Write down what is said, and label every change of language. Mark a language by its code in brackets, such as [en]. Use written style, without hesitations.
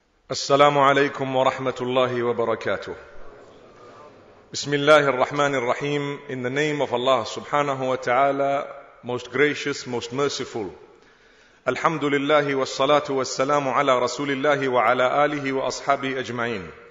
[ar] السلام عليكم ورحمة الله وبركاته. بسم الله الرحمن الرحيم. [en] In the name of Allah [ar] سبحانه وتعالى, [en] most gracious, most merciful. [ar] الحمد لله والصلاة والسلام على رسول الله وعلى آله وأصحابه أجمعين.